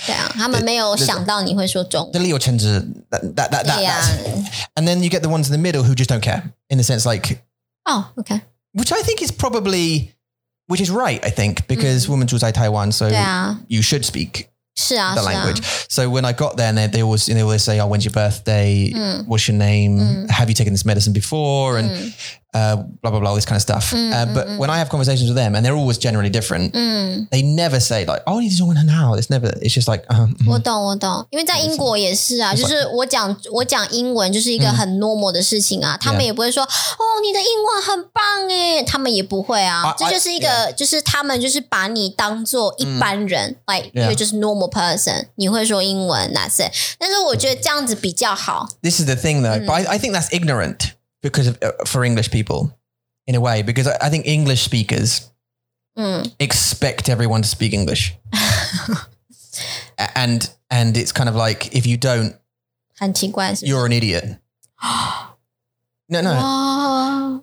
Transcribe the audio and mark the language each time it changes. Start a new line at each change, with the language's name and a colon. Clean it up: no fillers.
Chinese: 对啊他们没有想到你会说中文这里有圈子
English: that, yeah. And then you get the ones in the middle who just don't care. In the sense like, Oh, okay. Which I think is probably, which is right, I think, because women choose Taiwan, so you should speak the language. So when I got there and they always say, oh, when's your birthday? What's your name? Have you taken this medicine before? And blah, blah, blah, all this kind of stuff. But when I have conversations with them and they're always generally different, they never say like, oh, you're doing it now. It's never, it's just like,
Chinese: 我懂。因为在英国也是啊，就是我讲英文就是一个很 normal 的事情啊。他们也不会说哦，你的英文很棒耶。他们也不会啊。这就是一个就是他们就是把你当做一般人
English: like, you're just normal person.
Chinese: 你会说英文
English: that's it.
Chinese: 但是我觉得这样子比较好。
English: This is the thing though, but I think that's ignorant. Because of, for English people, in a way, because I think English speakers expect everyone to speak English. and it's kind of like, if you don't,
Chinese: 很奇怪是不是?
English: You're an idiot. No.